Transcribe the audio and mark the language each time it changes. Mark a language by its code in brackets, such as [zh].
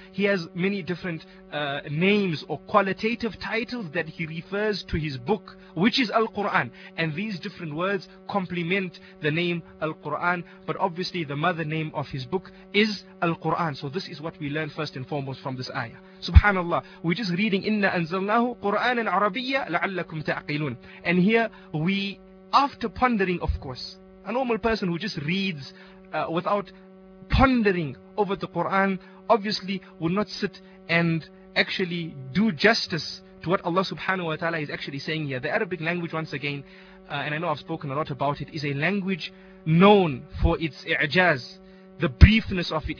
[en] He has many different names or qualitative titles that he refers to his book, which is Al-Qur'an. And these different words complement the name Al-Qur'an, but obviously the mother name of his book is Al-Qur'an. So this is what we learn first and foremost from this ayah. Subhanallah, we're just reading, [ar] إِنَّا أَنزَلْنَاهُ قُرْآنًا عَرَبِيًّا لَعَلَّكُمْ تَعْقِلُونَ. [en] And here we, after pondering, of course, a normal person who just reads without pondering over the Quran obviously would not sit and actually do justice to what Allah subhanahu wa ta'ala is actually saying here. The Arabic language, once again, and I know I've spoken a lot about it, is a language known for its i'jaz, the briefness of it.